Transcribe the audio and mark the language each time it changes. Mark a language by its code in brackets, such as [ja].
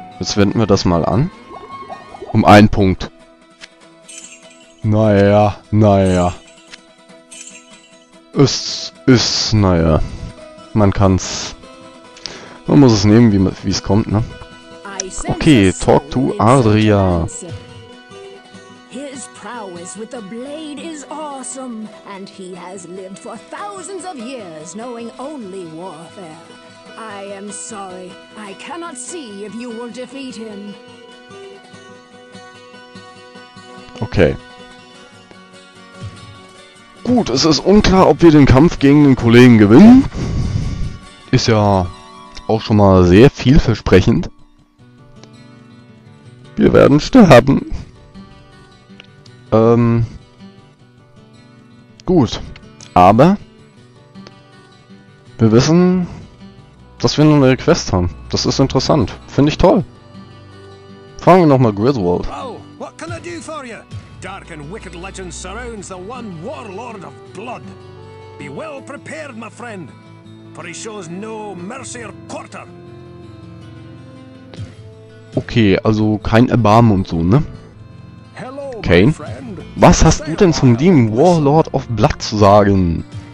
[de] Jetzt wenden wir das mal an. Um einen Punkt. Naja, naja. Es ist, naja. Man kann's. Man muss es nehmen, wie es kommt, ne? [en] Okay, talk to Adria. His prowess with the blade is awesome, and he has lived for thousands of years, knowing only warfare. I am sorry. I cannot see if you will defeat him. Okay. [de] Gut, es ist unklar, ob wir den Kampf gegen den Kollegen gewinnen. Ist ja auch schon mal sehr vielversprechend. Wir werden sterben. Gut. Aber wir wissen, dass wir eine Quest haben. Das ist interessant. Finde ich toll. Fragen wir nochmal Griswold. [en] Oh, what can I do for you? Dark and wicked legend surrounds the one warlord of blood. Be well prepared, my friend. For he shows no mercy or quarter. [de] Okay, also kein Erbarmen und so, ne? [en] Hello, Kane? [de] Was hast du denn zum Demon Warlord of Blood zu sagen?